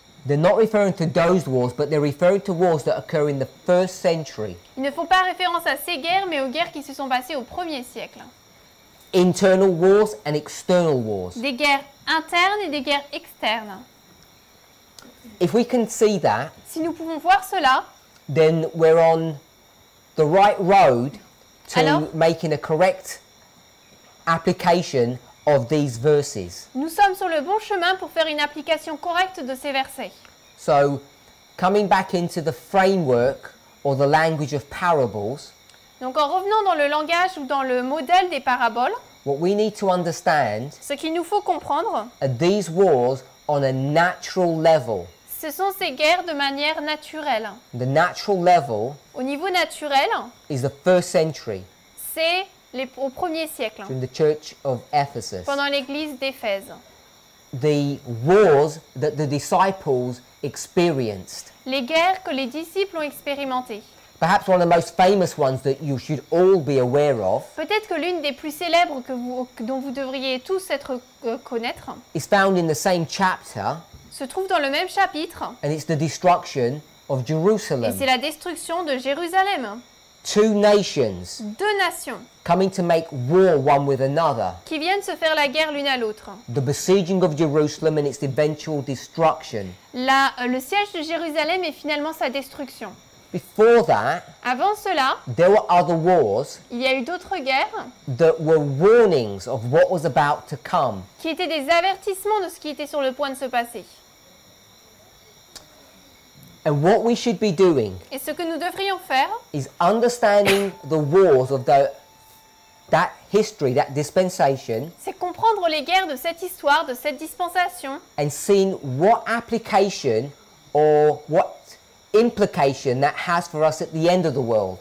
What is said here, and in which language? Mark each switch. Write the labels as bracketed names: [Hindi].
[English] They're not referring to those wars, but they're referring to wars that occur in the first century. [French] Ils ne font pas référence à ces guerres, mais aux guerres qui se sont passées au 1er siècle. [English] Internal wars and external wars. [French] Des guerres internes et des guerres externes. [English] If we can see that, [French] si nous pouvons voir cela, [English] then we're on the right road to making a correct application of these verses. [French] Nous sommes sur le bon chemin pour faire une application correcte de ces versets. [English] So, coming back into the framework or the language of parables. [French] Donc en revenant dans le langage ou dans le modèle des paraboles. [English] What we need to understand. [French] Ce qu'il nous faut comprendre. [English] Are these wars on a natural level. [French] Ce sont ces guerres de manière naturelle. [English] The natural level. [French] Au niveau naturel. [English] Is the first century. [French] C'est au premier siècle. [English] During the church of Ephesus. [French] Pendant l'église d'Éphèse. [English] The wars that the disciples experienced. [French] Les guerres que les disciples ont expérimentées. [English] Perhaps one of the most famous ones that you should all be aware of. [French] Peut-être que l'une des plus célèbres dont vous devriez tous connaître. [English] Is found in the same chapter. [French] Se trouve dans le même chapitre. [English] And it's the destruction of Jerusalem. [French] Et c'est la destruction de Jérusalem. [English] Two nations. [French] Deux nations. [English] Coming to make war one with another. [French] Qui viennent se faire la guerre l'une à l'autre. [English] The besieging of Jerusalem and its eventual destruction. [French] Le siège de Jérusalem et finalement sa destruction. [English] Before that, [French] avant cela, [English] there were other wars. [French] Il y a eu d'autres guerres. [English] That were warnings of what was about to come. [French] Qui étaient des avertissements de ce qui était sur le point de se passer. [English] And what we should be doing. [French] Et ce que nous devrions faire. [English] Is understanding the wars of that history, that dispensation. [French] C'est comprendre les guerres de cette histoire, de cette dispensation. [English] And seeing what application or what implication that has for us at the end of the world.